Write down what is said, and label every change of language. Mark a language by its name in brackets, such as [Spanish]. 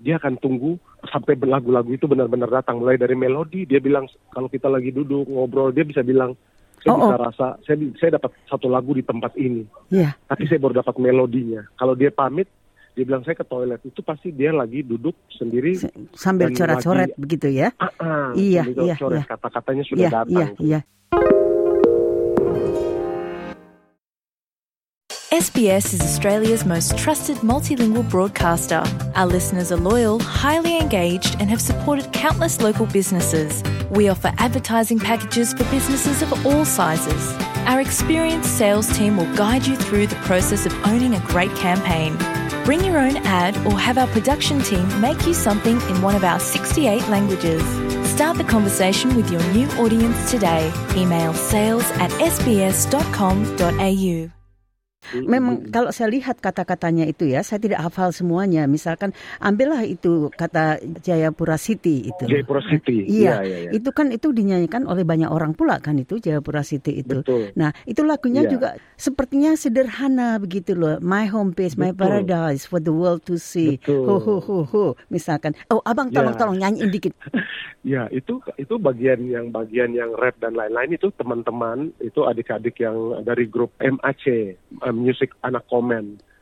[Indonesian] Dia akan tunggu sampai lagu-lagu itu benar-benar datang. Mulai dari melodi, dia bilang kalau kita lagi duduk ngobrol, dia bisa bilang, saya rasa saya dapat satu lagu di tempat ini, tapi saya baru dapat melodinya. Kalau dia pamit, dia bilang saya ke toilet, itu pasti dia lagi duduk sendiri sambil coret-coret lagi, begitu ya. Coret. Kata-katanya sudah datang. [English] SBS is Australia's most trusted multilingual broadcaster. Our listeners are loyal, highly engaged, and have supported countless local businesses. We offer advertising packages for businesses of all sizes. Our experienced sales team will guide you through the process of owning a great campaign. Bring your own ad or have our production team make you something in one of our 68 languages. Start the conversation with your new audience today. Email sales@sbs.com.au. [Indonesian] Memang kalau saya lihat kata-katanya itu ya, saya tidak hafal semuanya. Misalkan ambillah itu kata Jayapura City itu. Jayapura City. Itu kan itu dinyanyikan oleh banyak orang pula kan itu, Jayapura City itu. Betul. Nah, itu lagunya juga sepertinya sederhana begitu loh. [English] My home base, my paradise for the world to see. [Indonesian] Betul. Ho ho ho ho. Misalkan, abang tolong nyanyiin dikit. Ya, itu bagian yang rap dan lain-lain itu teman-teman, itu adik-adik yang dari grup MAC, Music Anak Komen.